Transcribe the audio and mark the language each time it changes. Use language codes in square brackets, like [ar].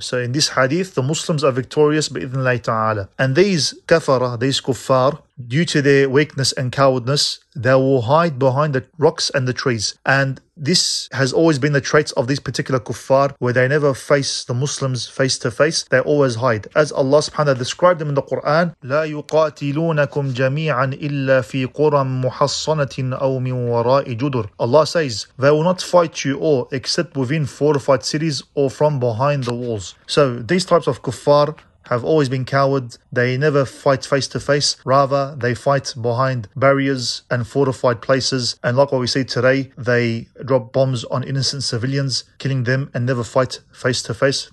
[en] So in this hadith, the Muslims are victorious [ar] بإذن الله تعالى. [en] And these kafara, these kuffar, due to their weakness and cowardness, they will hide behind the rocks and the trees. And this has always been the traits of these particular kuffar, where they never face the Muslims face to face. They always hide. As Allah subhanahu wa ta'ala described them in the Quran, [ar] لا يقاتلونكم جميعا إلا في قرى محصنة أو من وراء جدر. [en] Allah says, they will not fight you all except within fortified cities or from behind the walls. So these types of kuffar have always been coward. They never fight face to face. Rather, they fight behind barriers and fortified places. And like what we see today, they drop bombs on innocent civilians, killing them, and never fight face to face.